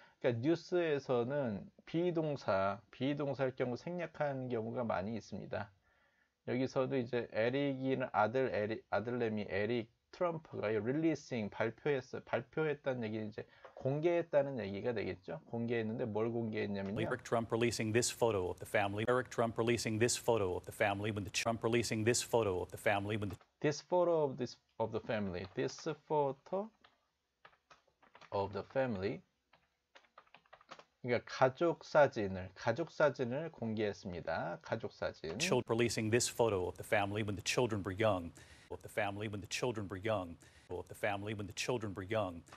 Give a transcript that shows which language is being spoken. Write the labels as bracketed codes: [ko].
[ko] 그러니까 뉴스에서는 비동사일 경우 생략하는 경우가 많이 있습니다. 여기서도 이제 에릭이는 아들내미 에릭 트럼프가 releasing 발표했다는 얘기는 이제 공개했다는 얘기가 되겠죠. 공개했는데 뭘 공개했냐면요. [en] Eric Trump releasing this photo of the family. Eric Trump releasing this photo of the family. When the Trump releasing this photo of the family. When the This photo of the family. This photo of the family. [ko] 그러니까 가족 사진을 공개했습니다. 가족 사진. [en] Releasing this photo of the family when the children were young. Of the family when the children were young. Of the family when the children were young.